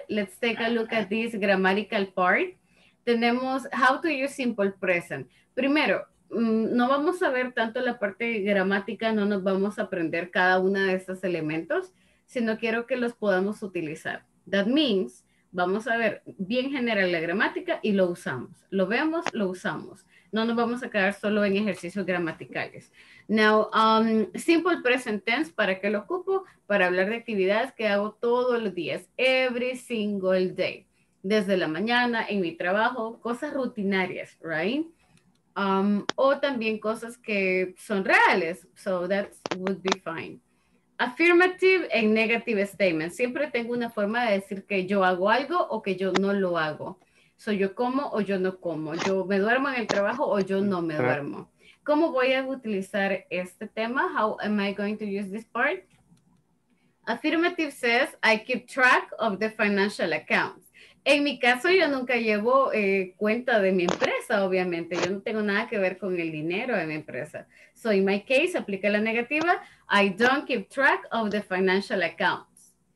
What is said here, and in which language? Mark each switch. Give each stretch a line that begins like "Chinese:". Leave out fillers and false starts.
English: Let's take a look at this grammatical part.
Spanish: Tenemos
English: how to use simple present.
Spanish: Primero, no vamos a ver tanto la parte gramática, no nos vamos a aprender cada uno de estos elementos, sino quiero que los podamos utilizar.
English: That means,
Spanish: vamos a ver bien general la gramática y lo usamos. Lo vemos, lo usamos. No nos vamos a quedar solo en ejercicios gramaticales.
English: Now, simple present tense,
Spanish: ¿para qué lo ocupo? Para hablar de actividades que hago todos los días,
English: every single day.
Spanish: Desde la mañana, en mi trabajo, cosas rutinarias, right? O también cosas que son reales.
English: So that would be fine. Affirmative and negative statements.
Spanish: Siempre tengo una forma de decir que yo hago algo o que yo no lo hago. So yo como o yo no como. Yo me duermo en el trabajo o yo no me duermo. ¿Cómo voy a utilizar este tema?
English: How am I going to use this part? Affirmative says, I keep track of the financial accounts.
Spanish: En mi caso, yo nunca llevo cuenta de mi empresa, obviamente. Yo no tengo nada que ver con el dinero de mi empresa.
English: So, in my case,
Spanish: aplica la negativa.
English: I don't keep track of the financial accounts.